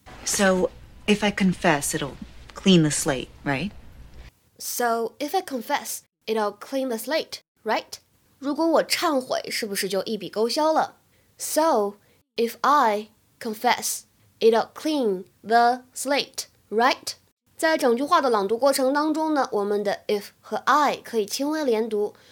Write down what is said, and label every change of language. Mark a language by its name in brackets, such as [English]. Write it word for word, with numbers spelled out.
[English] So if I confess, it'll clean the slate, right? So if I confess, it'll clean the slate, right? [Chinese] 如果我忏悔，是不是就一笔勾销了？ [English] So if I confess, it'll clean the slate, right? [Chinese] 在整句话的朗读过程当中呢，我们的 if 和 I 可以轻微连读。